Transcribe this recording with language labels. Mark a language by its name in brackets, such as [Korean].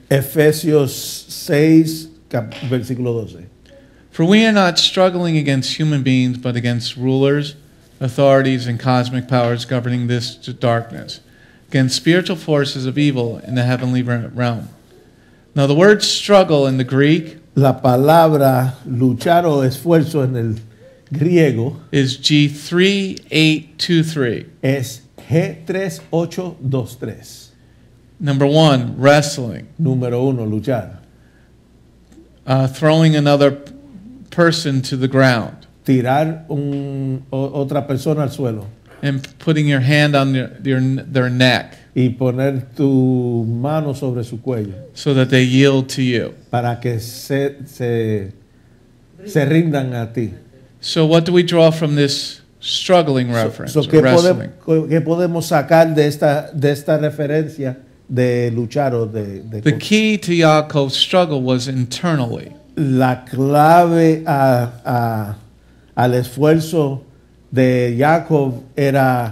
[Spanish] Efesios 6, versículo 12. [English] For we are not struggling against human beings, but against rulers, authorities, and cosmic powers governing this darkness, against spiritual forces of evil in the heavenly realm. Now the word struggle in the Greek, [Spanish] la palabra luchar o esfuerzo en el griego, [English] is G3823. [Spanish] Es G3823. [English] Number one, wrestling. [Spanish] Número uno, luchar. [English] Throwing another person to the ground. [Spanish] Tirar otra persona al suelo. [English] And putting your hand on their neck. [Spanish] Y poner tu mano sobre su cuello. [English] So that they yield to you. [Spanish] Para que se rindan a ti. [English] So what do we draw from this struggling reference? So [Spanish] ¿qué podemos sacar de esta referencia de luchar o de [English] The key to Yaakov's struggle was internally. [Spanish] La clave al esfuerzo de Jacob era